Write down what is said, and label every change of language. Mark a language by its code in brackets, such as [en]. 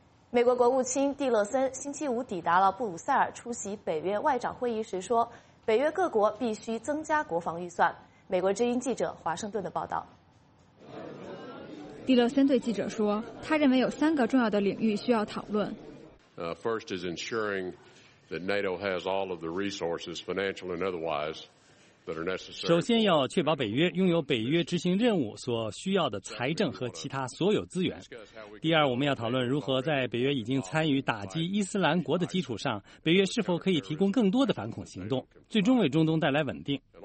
[zh] 美国国务卿蒂勒森星期五抵达了布鲁塞尔出席北约外长会议时说，北约各国必须增加国防预算。美国之音记者华盛顿的报道。蒂勒森对记者说，他认为有3个重要的领域需要讨论。 [en] First is ensuring that NATO has all of the resources, financial and otherwise, [zh] 首先要确保北约拥有北约执行任务所需要的财政和其他所有资源。第二，我们要讨论如何在北约已经参与打击伊斯兰国的基础上，北约是否可以提供更多的反恐行动，最终为中东带来稳定。